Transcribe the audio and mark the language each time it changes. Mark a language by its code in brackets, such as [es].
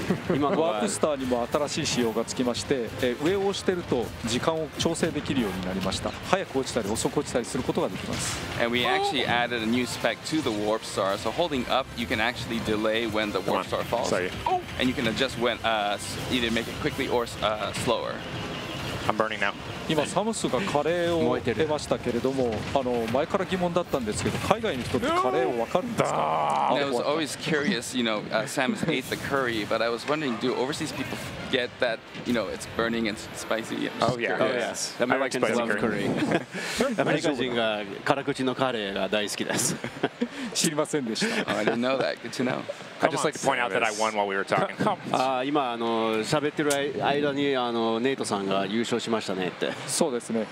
[ja] 今のワークスターにも新しい仕様がつきまして、上を押してると時間を調整できるようになりました。早く落ちたり遅く落ちたりすることができます。 [en] And we actually added a new spec to the warp star. So holding up, you can actually delay when the warp star falls. Sorry. And you can adjust when, either make it quickly or slower. I'm burning now. [ja] 今サムスがカレーを出ましたけれども、前から疑問だったんですけど、海外の人ってカレーを分かるんですか？ [en] I was always curious, you know, Samus ate the curry, but I was wondering, do overseas people get that, you know, it's burning and spicy? Oh yeah, oh yes. Americans love curry. [ja] アメリカ人が辛口のカレーが大好きです。知りませんでした。 [en] I didn't know that. Good to know. I'd just like to point out that I won while we were talking. [ja] 今喋ってる間にネイトさんが優勝しましたねって。そうですね。